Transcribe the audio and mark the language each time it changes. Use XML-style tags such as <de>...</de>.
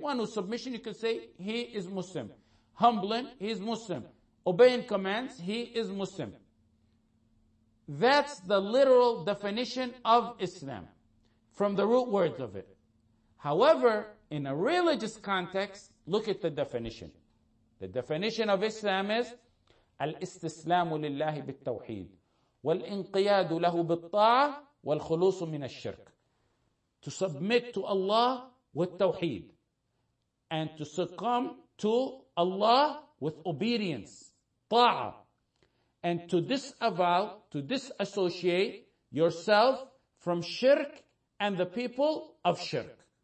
<en>One who's submission, you could say he is Muslim. Humbling, he is Muslim. Obeying commands, he is Muslim. That's the literal definition of Islam, from the root words of it. However, in a religious context, look at the definition. The definition of Islam is</en> <ar>الاستسلام لله بالتوحيد والانقياد له بالطاعة والخلوص من الشرك.</ar> <en>To submit to Allah with tawheed, and to succumb to Allah with obedience, ta'ah, and to disavow, to disassociate yourself from shirk and the people of shirk.</en>